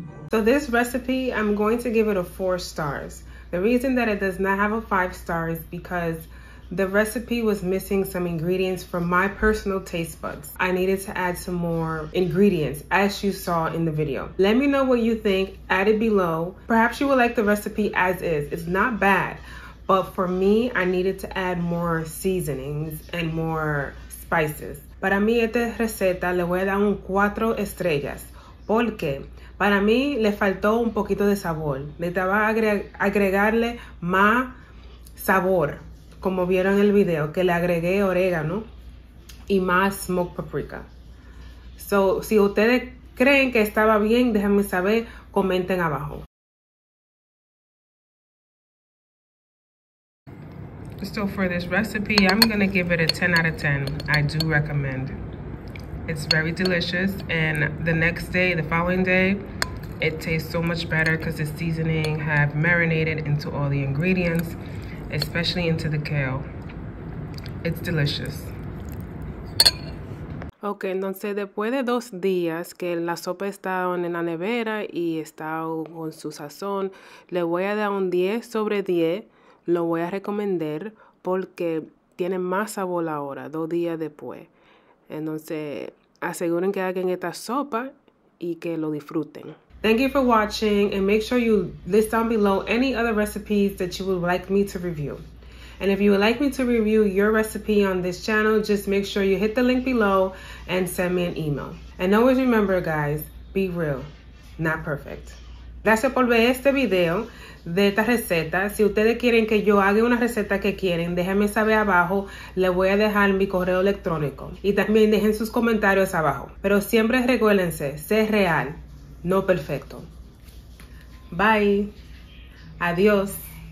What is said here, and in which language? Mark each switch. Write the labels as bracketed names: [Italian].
[English] So this recipe, I'm going to give it a 4 stars. The reason that it does not have a 5-star is because the recipe was missing some ingredients from my personal taste buds. I needed to add some more ingredients, as you saw in the video. Let me know what you think, add it below. Perhaps you would like the recipe as is. It's not bad, but for me, I needed to add more seasonings and more spices. [Spanish] Para mí esta receta le voy a dar un 4 estrellas, porque para mí le faltó un poquito de sabor. Le estaba agregarle más sabor, como vieron en el video, que le agregué orégano y más smoked paprika. So, si ustedes creen que estaba bien, déjenme saber, comenten abajo. [English] So, for this recipe, I'm gonna give it a 10 out of 10. I do recommend. It's very delicious, and the next day, the following day, it tastes so much better because the seasoning have marinated into all the ingredients, especially into the kale. It's delicious. [Spanish] Okay, entonces después de 2 días que la sopa está en la nevera y está con su sazón, le voy a dar un 10 sobre 10. Lo voy a recomendar porque tiene más sabor ahora, 2 días después. Entonces, aseguren que hagan esta sopa y que lo disfruten. [English] Thank you for watching, and make sure you list down below any other recipes that you would like me to review. And if you would like me to review your recipe on this channel, just make sure you hit the link below and send me an email. And always remember, guys, be real, not perfect. [Spanish] Gracias por ver este video de esta receta. Si ustedes quieren que yo haga una receta que quieren, déjenme saber abajo. Les voy a dejar mi correo electrónico. Y también dejen sus comentarios abajo. Pero siempre recuérdense, sé real, no perfecto. Bye. Adiós.